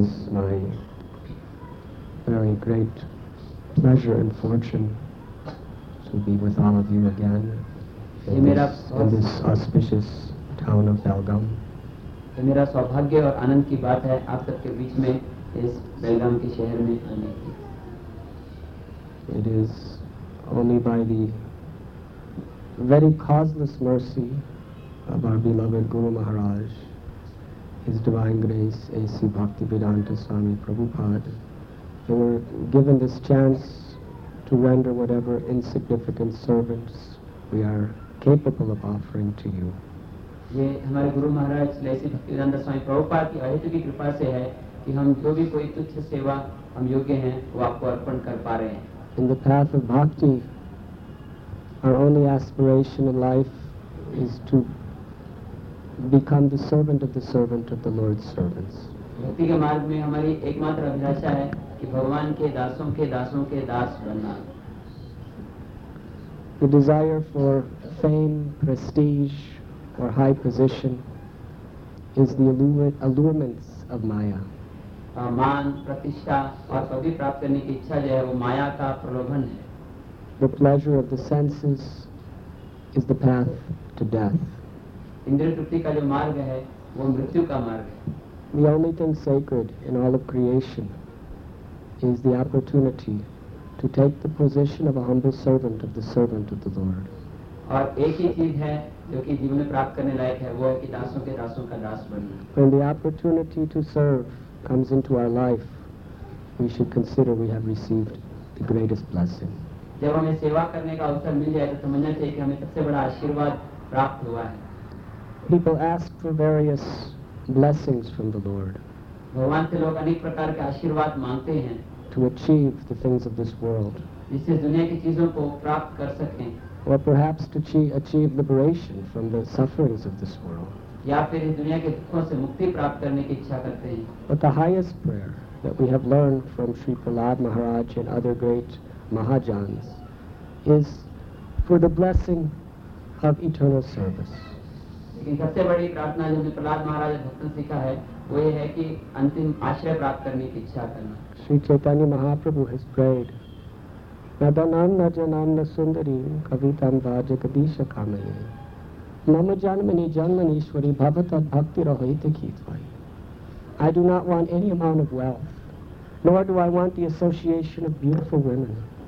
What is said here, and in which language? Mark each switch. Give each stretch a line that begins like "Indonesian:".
English: my very great pleasure and fortune to be with all of you again in this auspicious town of Belgaum.
Hindi: ये मेरा सौभाग्य और आनंद की बात है आप सबके बीच में इस बेलगाम के शहर में आने की.
English: It is only by the very causeless mercy of our beloved Guru Maharaj, His Divine Grace A.C. Bhaktivedanta Swami Prabhupada, we were given this chance to render whatever insignificant service we are capable of offering to you.
Hindi: ये हमारे गुरु महाराज लैसी भक्तिदानंद स्वामी प्रभुपाद की अहित की कृपा से है कि हम जो भी कोई तुच्छ सेवा हम योग्य हैं वो आपको अर्पण कर पा रहे हैं.
English: In the path of bhakti, our only aspiration in life is to become the servant of the servant of the Lord's servants.
Hindi: भक्ति के मार्ग में हमारी एकमात्र अभिलाषा है कि भगवान के दासों के दासों के दास बनना.
English: The desire for fame, prestige, or high position is the allurements of Maya.
Hindi: मान प्रतिष्ठा और पदवी प्राप्त करने की इच्छा जो है वो माया का प्रलोभन है.
English: The pleasure of the senses is the path to death.
Hindi: इंद्रिय तृप्ति का जो मार्ग है वो मृत्यु का मार्ग है.
English: The only thing sacred in all of creation is the opportunity to take the position of a humble servant of the Lord.
Hindi: और एक ही चीज है जो कि जीवन में प्राप्त करने लायक है वो है कि दासों के दासों का दास बनना.
English: When the opportunity to serve comes into our life, we should consider we have received the greatest blessing.
Hindi: जब हमें सेवा करने का अवसर मिल जाए तो समझना चाहिए कि हमें सबसे बड़ा आशीर्वाद प्राप्त हुआ है.
English: People ask for various blessings from the Lord.
Hindi: भगवान से लोग अनेक प्रकार के आशीर्वाद मांगते हैं.
English: To achieve the things of this world.
Hindi: जिससे दुनिया की चीजों को प्राप्त कर सकें.
English: Or perhaps to achieve liberation from the sufferings of this world.
Hindi: या फिर इस दुनिया के दुखों से मुक्ति प्राप्त करने की इच्छा करते हैं.
English: But the highest prayer that we have learned from Sri Prahlad Maharaj and other great Mahajans is for the blessing of eternal service.
Hindi: लेकिन सबसे बड़ी प्रार्थना जो हमने प्रहलाद महाराज भक्तों से सीखा है वो ये है कि अंतिम आश्रय प्राप्त करने की इच्छा करना.
Sanskrit: Shri Chaitanya Mahaprabhu
English: has prayed,
Sanskrit: Nadananda Jananda Sundari Kavitam Vajagadisha Kamaye Mama Janmani Janmanishwari Bhavata Bhakti Rahita Kitvai.
English: I do not want any amount of wealth, nor do I want the association of beautiful women.